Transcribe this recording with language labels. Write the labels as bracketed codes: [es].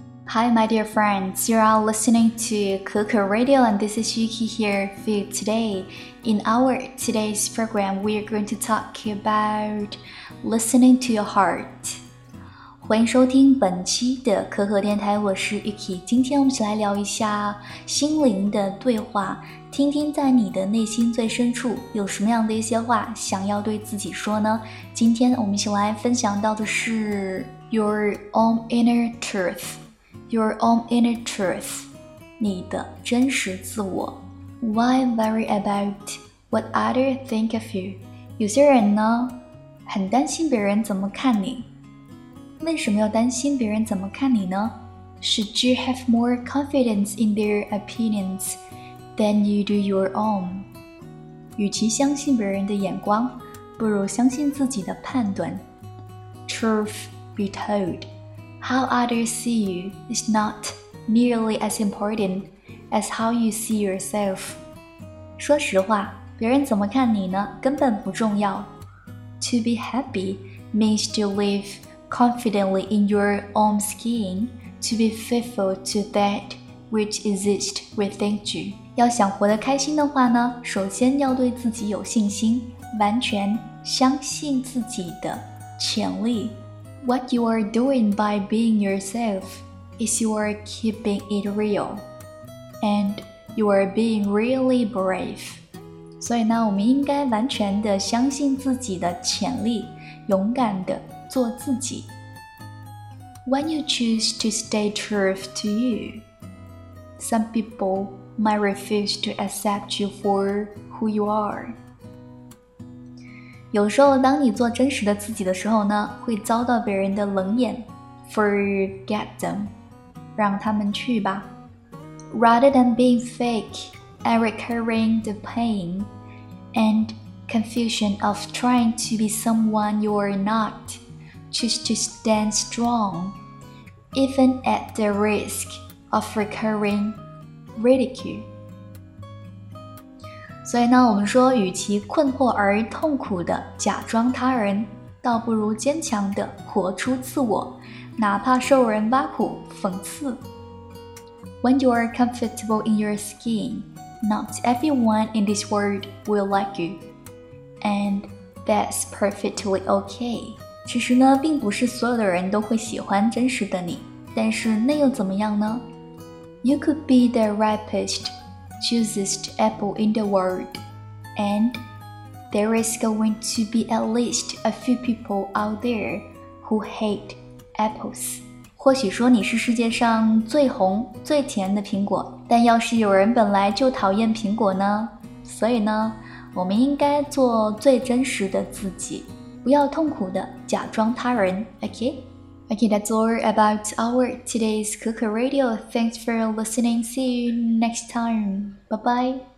[en] Hi, my dear friends, you are listening to Kuku Radio and this is Yuki here for you today. In our today's program, we are going to talk about listening to your heart. [zh] 欢迎收听本期的可可电台，我是 Yuki。今天我们一起来聊一下心灵的对话，听听在你的内心最深处有什么样的一些话想要对自己说呢？今天我们一起来分享到的是 [en] Your own inner truth。 Your own inner truth, [zh] 你的真实自我。 [en] Why worry about what others think of you? [zh] 有些人呢，很担心别人怎么看你。为什么要担心别人怎么看你呢？ [en] Should you have more confidence in their opinions than you do your own? [zh] 与其相信别人的眼光，不如相信自己的判断。 [en] Truth be told. How others see you is not nearly as important as how you see yourself. [zh] 说实话，别人怎么看你呢？根本不重要。 [en] To be happy means to live confidently in your own skin, to be faithful to that which exists within you. [zh] 要想活得开心的话呢，首先要对自己有信心，完全相信自己的潜力。 [en] What you are doing by being yourself is you are keeping it real, and you are being really brave. [zh] 所以呢，我们应该完全的相信自己的潜力，勇敢的做自己。 [en] When you choose to stay true to you, some people might refuse to accept you for who you are. [zh] 有时候当你做真实的自己的时候呢，会遭到别人的冷眼。 [en] Forget them, [zh] 让他们去吧。 [en] Rather than being fake and recurring the pain and confusion of trying to be someone you are not, choose to stand strong, even at the risk of recurring ridicule. [zh] 所以呢，我们说与其困惑而痛苦的假装他人，倒不如坚强的活出自我，哪怕受人挖苦讽刺。 [en] When you are comfortable in your skin, not everyone in this world will like you, and that's perfectly okay. [zh] 其实呢，并不是所有的人都会喜欢真实的你，但是那又怎么样呢？ [en] You could be the ripestChoosest apple in the world, and there is going to be at least a few people out there who hate apples. [zh] 或许说你是世界上最红最甜的苹果，但要是有人本来就讨厌苹果呢？所以呢，我们应该做最真实的自己，不要痛苦的假装他人。 [en] Okay, that's all about our today's Kuku Radio. Thanks for listening. See you next time. Bye-bye.